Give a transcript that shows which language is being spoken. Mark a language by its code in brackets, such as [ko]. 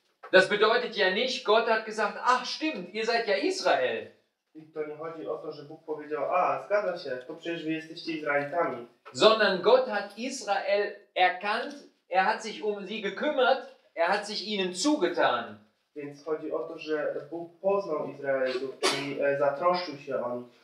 [de] Das bedeutet ja nicht, Gott hat gesagt, ach stimmt, ihr seid ja Israel. [pl] I to nie chodzi o to, że Bóg powiedział, a zgadza się, to przecież wy jesteście Izraelitami. [de] Sondern Gott hat Israel erkannt, er hat sich um sie gekümmert, er hat sich ihnen zugetan. [pl] Więc chodzi o to, że Bóg poznał Izraelitów i zatroszczył się o nich.